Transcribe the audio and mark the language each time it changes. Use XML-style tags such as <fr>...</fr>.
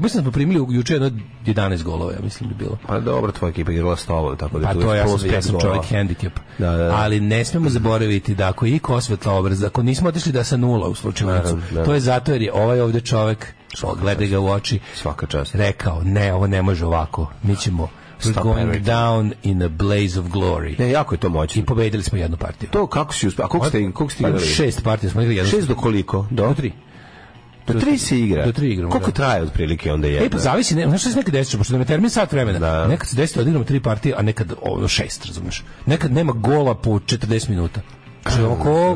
<sr>Mislim da smo primili juče jedno 11 golova, ja mislim da bilo. Pa dobro, tvoja ekipa je bila s tobom, tako da pa tu je plus 5 golova. Pa to ja sam čovjek handicap. Da. Ali ne smemo zaboraviti da ako je iko osvetla obraz, ako nismo otišli da sa nula u slučaju, to je zato jer je ovaj ovdje čovjek gledaj ga u oči. Svaka čast. Rekao, ne, ovo ne može ovako. Mi ćemo...</sr> <en>We're going down in a blaze of glory.</en> <sr>Ne, jako je to moćno. I pobedili smo jednu partiju. To kako si uspio? A koliko ste igrali? Pa, šest partija smo igrali. Šest do koliko? Do tri. Do tri se igra. Do tri igramo. Koliko traje otprilike onda jedna? E, pa zavisi. Ne, znaš što se nekad desiče, pošto nam je termin sat vremena. Da. Nekad se desiče da igramo tri partije, a nekad ono šest, razumeš. Nekad nema gola po 40 minuta. Ko,</sr>